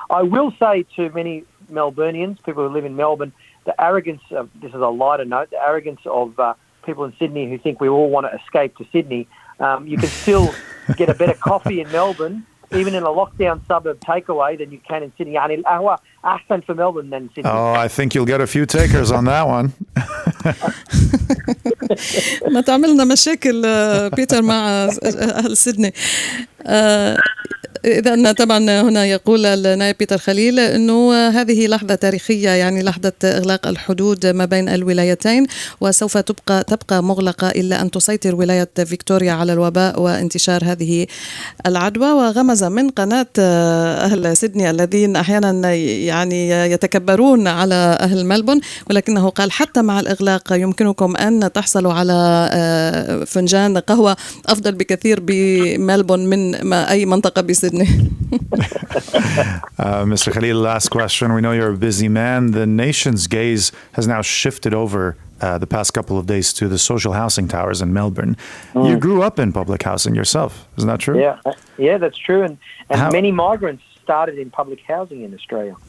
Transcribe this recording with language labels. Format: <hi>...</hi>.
<en>I will say to many Melburnians, people who live in Melbourne, the arrogance of, this is a lighter note, the arrogance of people in Sydney who think we all want to escape to Sydney, you can still get a better coffee in Melbourne, even in a lockdown suburb takeaway, than you can in Sydney. And Ahua, Ahsan for Melbourne than Sydney. Oh, I think you'll get a few takers on that one.</en> <ar>ما تعملنا مشاكل بيتر مع أهل سيدني. إذن طبعا هنا يقول النائب بيتر خليل أنه هذه لحظة تاريخية، يعني لحظة إغلاق الحدود ما بين الولايتين، وسوف تبقى مغلقة إلا أن تسيطر ولاية فيكتوريا على الوباء وانتشار هذه العدوى. وغمز من قناة أهل سيدني الذين أحيانا يعني يتكبرون على أهل ملبون، ولكنه قال حتى مع الإغلاق يمكنكم أن تحصلوا على فنجان قهوة أفضل بكثير بملبون من أي منطقة بسيدني.</ar> <en>Mr. Khalil, last question. We know you're a busy man. The nation's gaze has now shifted over the past couple of days to the social housing towers in Melbourne. You grew up in public housing yourself, isn't that true? Yeah, that's true. And how, many migrants started in public housing in Australia.</en>